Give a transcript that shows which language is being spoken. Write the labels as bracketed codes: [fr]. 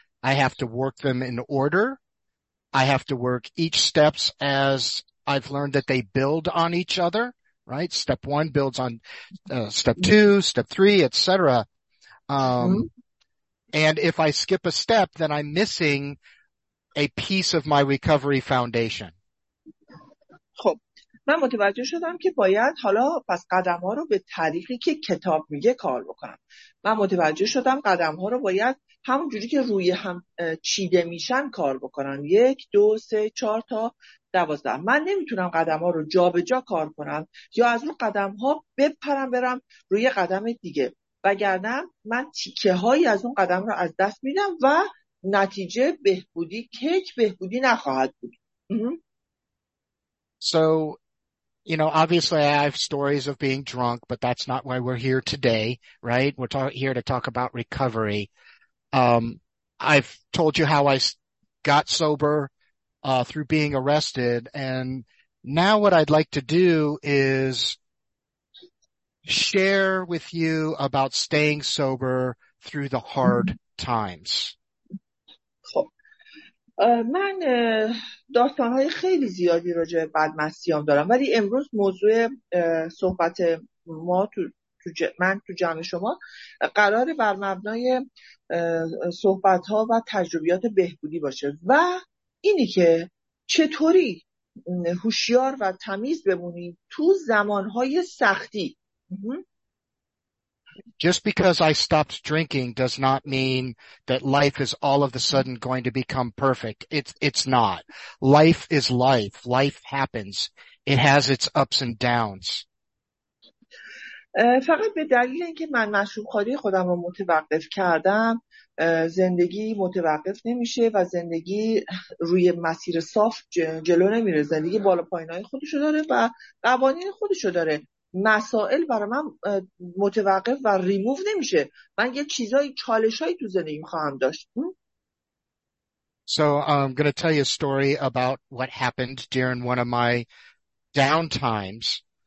[en] I have to work them in order. I have to work each steps as I've learned that they build on each other, right? Step one builds on step two, step three, et cetera. And if I skip a step, then I'm missing a piece of my recovery foundation. [fa] خب من متوجه شدم که باید حالا پس قدم ها رو به طریقی که کتاب میگه کار بکنم. من متوجه شدم قدم ها رو باید همون جوری که روی هم چیده میشن کار بکنم. 1, 2, 3, 4 تا 12. من نمیتونم قدم ها رو جا به جا کار کنم یا از اون قدم ها بپرم برم روی قدم دیگه، وگرنه من تیکه هایی از اون قدم رو از دست میدم و نتیجه بهبودی، کیک بهبودی نخواهد بود. [en] So, you know, obviously I have stories of being drunk, but that's not why we're here today, right? We're here to talk about recovery. I've told you how I got sober through being arrested. And now what I'd like to do is share with you about staying sober through the hard times. [fa] من داستان‌های خیلی زیادی راجع به بدمستیام دارم، ولی امروز موضوع صحبت ما تو جمع شما قرار بر مبنای صحبت‌ها و تجربیات بهبودی باشه و اینی که چطوری هوشیار و تمیز بمونیم تو زمان‌های سختی. [en] Just because I stopped drinking does not mean that life is all of a sudden going to become perfect. It's not. Life is life. Life happens. It has its ups and downs. [fa] فقط به دلیل اینکه من مشروب‌خوری خودم رو متوقف کردم، زندگی متوقف نمیشه و زندگی روی مسیر صاف جلو نمیره. زندگی بالا پایین‌های خودشو داره و قوانین خودشو داره. مسائل برای من متوقف و ریموف نمیشه. من یه چیزای چالشایی تو زندگیم خواهم داشت. [en] So I'm going to tell you a story about what happened during one of my down times.